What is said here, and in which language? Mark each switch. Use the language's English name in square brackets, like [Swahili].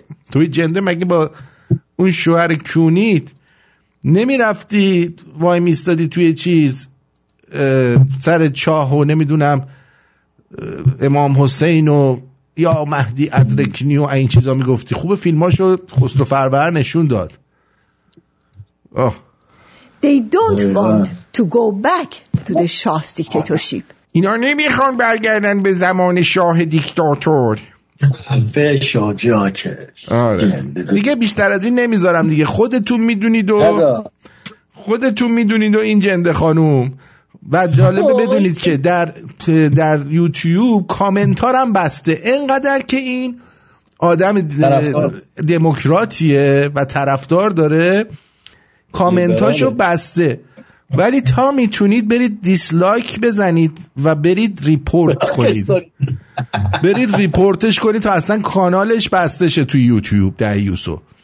[Persian] توی جنده مگه با اون شوهر کونیت نمیرفتی وای میستادی توی چیز سر چاه و نمیدونم امام حسین و یا مهدی ادرکنی و این چیزا میگفتی؟ خوبه فیلماشو خسرو فرور نشون داد. [English] They don't want to go back to the Shah's dictatorship. [Persian] اینا نمیخوان برگردن به زمان شاه دیکتاتور. فش و جاکش. آره. دیگه بیشتر از این نمیذارم دیگه، خودتون میدونید و خودتون میدونید و این جنده خانوم. و جالبه بدونید که در یوتیوب کامنتارم بسته، اینقدر که این آدم دموکراتیه و طرفدار داره کامنتاشو بسته، ولی تا میتونید برید دیسلایک بزنید و برید ریپورت کنید، برید ریپورتش کنید تا اصلا کانالش بسته شه تو یوتیوب در یوسو.